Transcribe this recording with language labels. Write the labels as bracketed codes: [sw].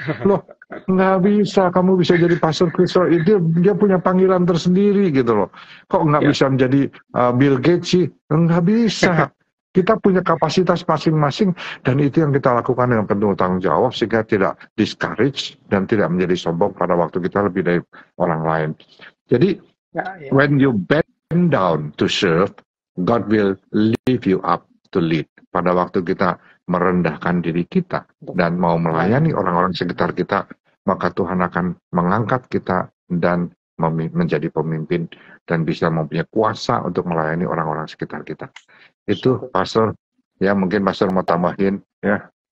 [id] Loh, nggak bisa kamu bisa jadi Pastor Kristo, dia punya panggilan tersendiri gitu loh. Kok nggak bisa menjadi Bill Gates sih? Nggak bisa. Kita punya kapasitas masing-masing dan itu yang kita lakukan dengan penuh tanggung jawab sehingga tidak discourage dan tidak menjadi sombong pada waktu kita lebih dari orang lain. [en] Jadi, when you bend down to serve, God will lift you up to lead. [id] Pada waktu kita merendahkan diri kita dan mau melayani orang-orang sekitar kita, maka Tuhan akan mengangkat kita dan menjadi pemimpin dan bisa mempunyai kuasa untuk melayani orang-orang sekitar kita. Itu Pastor, ya mungkin Pastor mau tambahin, ya.